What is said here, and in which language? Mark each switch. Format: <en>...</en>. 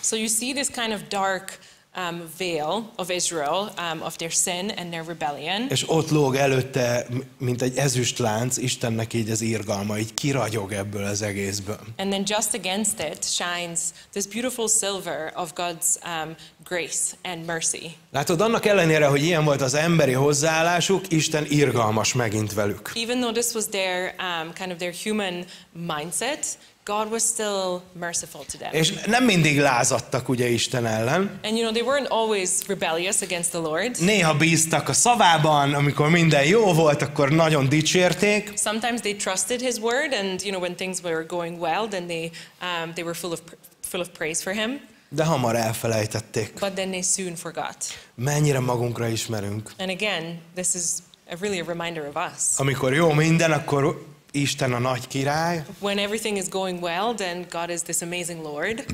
<en>So you see this kind of dark veil of Israel, of their sin and their rebellion.</en> <hu>És ott lóg előtte, mint egy ezüst lánc, Istennek így az irgalma, így kiragyog ebből az egészből.</hu> <en>And then just against it shines this beautiful silver of God's grace and mercy.</en> <hu>Látod, annak ellenére, hogy ilyen volt az emberi hozzáállásuk, Isten irgalmas megint velük.</hu> <en>Even though this was their kind of their human mindset, God was still merciful to them.</en> <hu>És nem mindig lázadtak ugye Isten ellen.</hu> <en>And you know, they weren't always rebellious against the Lord.</en> <hu>Néha bíztak a szavában, amikor minden jó volt, akkor nagyon dicsérték.</hu> <en>Sometimes they trusted his word and you know when things were going well, then they were full of praise for him.</en> <hu>De hamar elfelejtették.</hu> <en>But then they soon forgot.</en> <hu>Mennyire magunkra ismerünk.</hu> <en>And again, this is really a reminder of us.</en> <hu>Amikor jó minden, akkor Isten a nagy király.</hu> <en>When everything is going well, then God is this amazing Lord.</en>